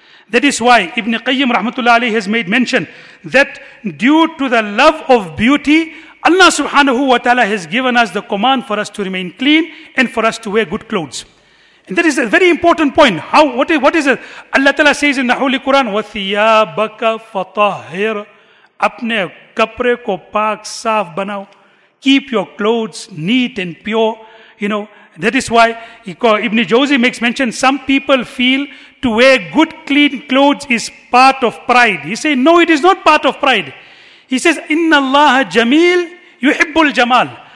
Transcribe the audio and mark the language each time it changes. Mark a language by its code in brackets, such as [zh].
[en] That is why Ibn Qayyim rahmatullah alayhi has made mention that due to the love of beauty, Allah subhanahu wa ta'ala has given us the command for us to remain clean and for us to wear good clothes. And that is a very important point. What is it? Allah ta'ala says in the Holy Quran, [ar] وَثِيَابَكَ فَطَهِرْ. [ur] اپنے کپرے کو پاک صاف بناو. [en] Keep your clothes neat and pure. You know, that is why Ibn Jawzi makes mention, some people feel to wear good clean clothes is part of pride. He says, no, it is not part of pride. He says, [ar] Inna Allah Jameel yuhibbul jamal.